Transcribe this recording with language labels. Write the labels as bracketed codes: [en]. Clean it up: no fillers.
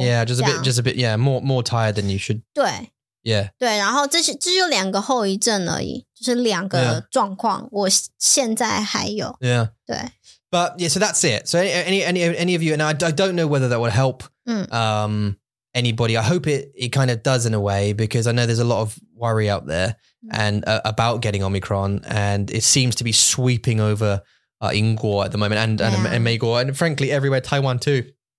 [en] yeah, just a bit, yeah, more tired than you should. [zh] 对, [en] yeah, [zh] 对，然后这是两个后遗症而已，就是两个状况。 Yeah. 我现在还有, [en] yeah, [zh] 对, [en] but yeah, so that's it. So any of you, and I don't know whether that would help, anybody. I hope it kind of does in a way, because I know there's a lot of worry out there and about getting Omicron, and it seems to be sweeping over 英国 at the moment, and 美国, and frankly everywhere, Taiwan too.